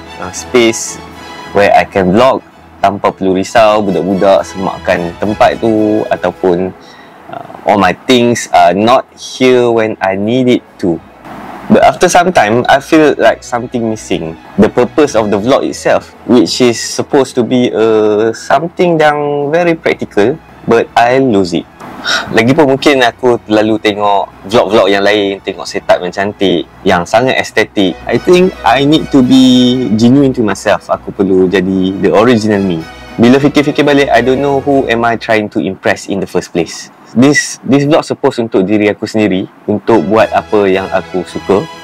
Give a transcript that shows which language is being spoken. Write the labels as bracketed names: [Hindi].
[English] A space where I can vlog [Malay] tanpa perlu risau budak-budak semakkan tempat tu ataupun [English] all my things are not here when I need it to. But after some time, I feel like something missing. The purpose of the vlog itself, which is supposed to be something yang very practical, but I lose it. [Malay] Lagipun mungkin aku terlalu tengok vlog-vlog yang lain, tengok setup yang cantik, yang sangat estetik. [English] I think I need to be genuine to myself. [Malay] Aku perlu jadi [English] the original me. [Malay] Bila fikir-fikir balik, [English] I don't know who am I trying to impress in the first place. This vlog supposed [Malay] untuk diri aku sendiri, untuk buat apa yang aku suka.